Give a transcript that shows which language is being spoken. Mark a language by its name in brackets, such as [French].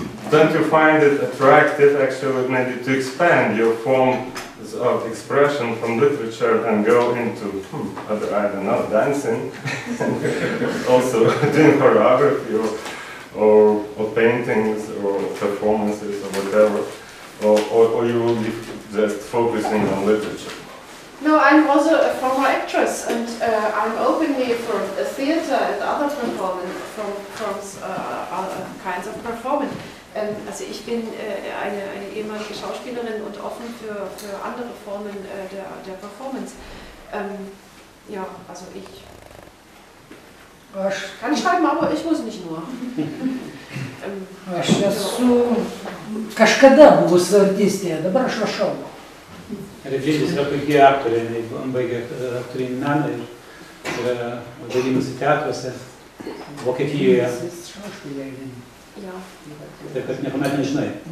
[English] Don't you find it attractive actually maybe to expand your form of expression from literature and go into other, I don't know, dancing, also doing choreography or paintings or performances or whatever? Or you will be just focusing on literature? No, I'm also a former actress, and I'm openly for a theater and other performance, kinds of performance. [German] Also ich bin eine ehemalige Schauspielerin und offen für andere Formen der Performance. Ja, also ich kann schreiben, aber ich muss nicht nur. [Lithuanian] Aš esu kažkada buvusi artistė, dabar aš rašau. Reginis yra puikiai aktorė, jis baigė aktorinį meną ir yra vadinasi teatruose Vokietijoje. Taip, kad niekuomet nežinai.